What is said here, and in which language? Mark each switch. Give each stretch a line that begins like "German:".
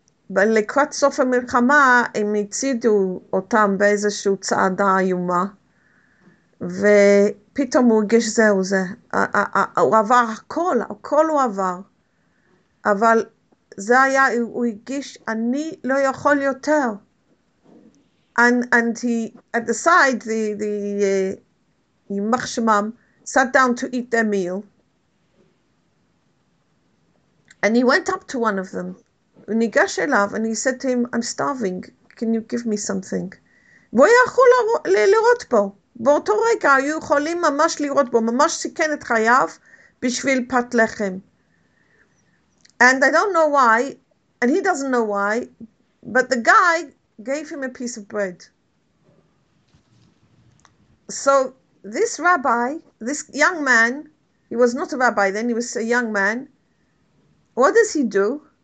Hebrew: ולקראת סוף המלחמה הם הצידו אותם באיזשהו צעדה איומה, ופתאום הוא הרגיש זה, הוא עבר הכל הוא עבר, אבל זה היה, הוא הרגיש, אני לא יכול יותר.
English: And he, at the side, the
Hebrew: יימח שמם,
English: sat down to eat their meal. And he went up to one of them,
Hebrew: Nigash Elav,
English: and he said to him, I'm starving, can you give me something?
Hebrew: והוא יכול לראות בו. באותו רגע היו יכולים ממש לראות בו, ממש סיכן את חייו בשביל פת לחם.
English: And I don't know why, and he doesn't know why, but the guy gave him a piece of bread. So this rabbi, this young man, he was not a rabbi then, he was a young man, what does he do?